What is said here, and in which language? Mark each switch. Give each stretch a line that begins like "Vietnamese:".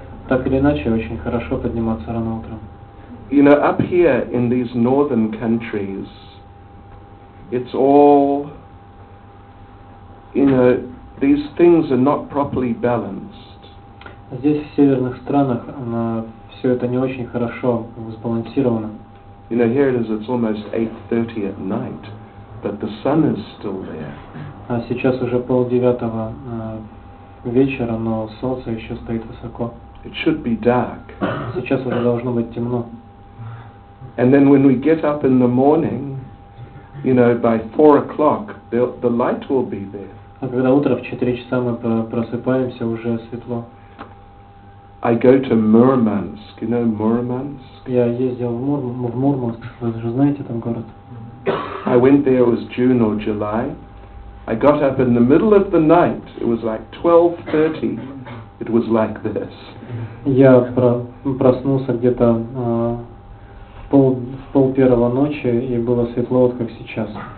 Russian: Так или иначе, очень хорошо подниматься рано утром.
English: You know, up here in these northern countries, it's all, you know. These things are not properly balanced.
Russian: Здесь в северных странах все это не очень хорошо сбалансировано.
English: You know, here it is. It's almost 8:30 at night, but the sun is still there.
Russian: А сейчас уже 8:30 вечера, но солнце еще стоит высоко.
English: It should be dark.
Russian: Сейчас уже должно быть темно.
English: And then when we get up in the morning, you know, by 4 o'clock, the light will be there.
Russian: А когда утро в 4 часа мы просыпаемся, уже светло.
English: I go to Murmansk. You know Murmansk?
Russian: Я ездил в Мурманск. Вы же знаете там город?
English: I went there, it was June or July. I got up in the middle of the night. It was like 12:30. It was like this.
Russian: Я проснулся где-то в пол первого ночи, и было светло вот как сейчас.